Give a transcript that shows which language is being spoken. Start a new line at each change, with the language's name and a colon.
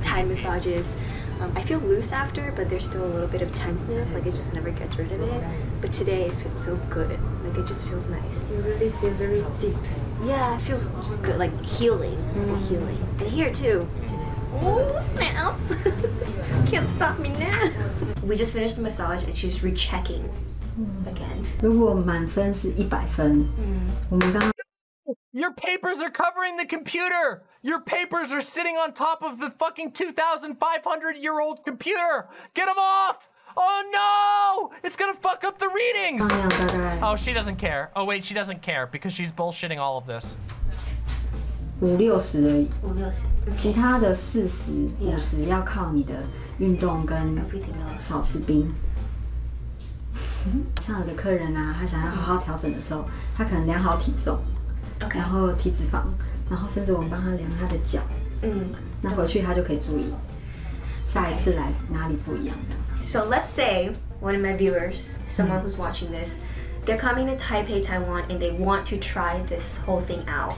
English: Thai massages. I feel loose after, but there's still a little bit of tenseness, like it just never gets rid of it. But today, it feels good. Like, like, it just feels nice. You really feel very deep. Yeah, it feels just good, like healing. Mm-hmm. Healing. And here too. Oh, snap! Can't stop me now. We just finished the massage and she's rechecking again.
Chinese: 如果满分是一百分，我们刚。
English: Your papers are covering the computer! Your papers are sitting on top of the fucking 2,500-year-old computer! Get them off! Oh no! It's gonna fuck up the readings! Oh, she doesn't care. Oh wait, she doesn't care because she's bullshitting all of this.
Chinese: 5-60而已.5-60. 其他的40, 50要靠你的运动跟少吃冰。像有的客人啊，他想要好好调整的时候，他可能量好体重。
English: Okay.
Chinese: 然后体脂肪，然后甚至我们帮他量他的脚，嗯，那回去他就可以注意，下一次来哪里不一样的。
English: So let's say one of my viewers, someone who's watching this, they're coming to Taipei, Taiwan, and they want to try this whole thing out.